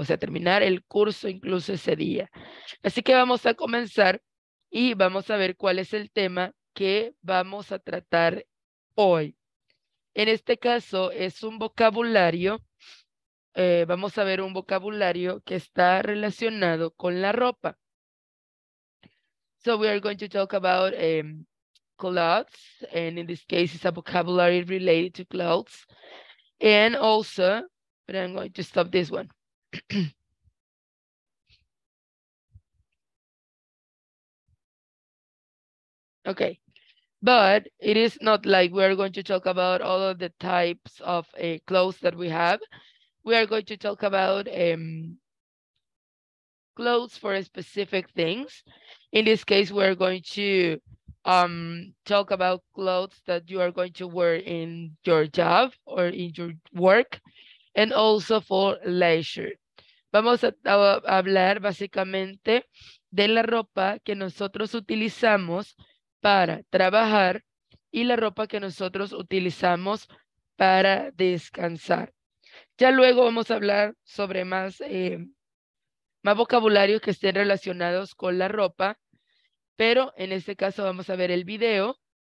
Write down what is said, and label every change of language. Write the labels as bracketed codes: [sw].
[es] O sea, terminar el curso incluso ese día. Así que vamos a comenzar y vamos a ver cuál es el tema que vamos a tratar hoy. En este caso es un vocabulario, vamos a ver un vocabulario que está relacionado con la ropa. [en] So we are going to talk about clothes, and in this case it's a vocabulary related to clothes. And also, but I'm going to stop this one. Okay. But it is not like we are going to talk about all of the types of clothes that we have. We are going to talk about clothes for specific things. In this case, we're going to talk about clothes that you are going to wear in your job or in your work, and also for leisure. [es] Vamos a hablar básicamente de la ropa que nosotros utilizamos para trabajar y la ropa que nosotros utilizamos para descansar. Ya luego vamos a hablar sobre más, más vocabulario que estén relacionados con la ropa, pero en este caso vamos a ver el video